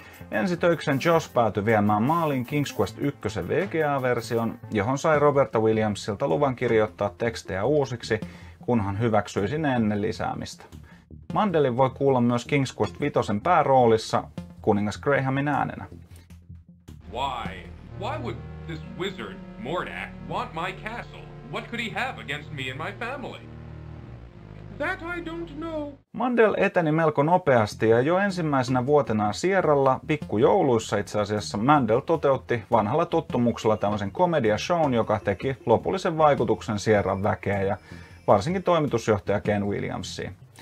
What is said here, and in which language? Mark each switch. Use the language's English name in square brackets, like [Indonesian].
[Finnish] Ensitöikseen Josh päätyi viemään maaliin King's Quest 1 VGA-version, johon sai Roberta Williamsilta luvan kirjoittaa tekstejä uusiksi, kunhan hyväksyisi ne ennen lisäämistä. Mandelin voi kuulla myös King's Quest 5:n pääroolissa kuningas Grahamin äänenä. [English] Why would this wizard Mordak want my castle? What could he have against me and my family? That I don't know. [Finnish] Mandel eteni melko nopeasti ja jo ensimmäisenä vuotenaan Sierralla, pikkujouluissa itse asiassa, Mandel toteutti vanhalla tottumuksella tämmöisen komediashown, joka teki lopullisen vaikutuksen Sierran väkeä ja varsinkin toimitusjohtaja Ken Williamsiin.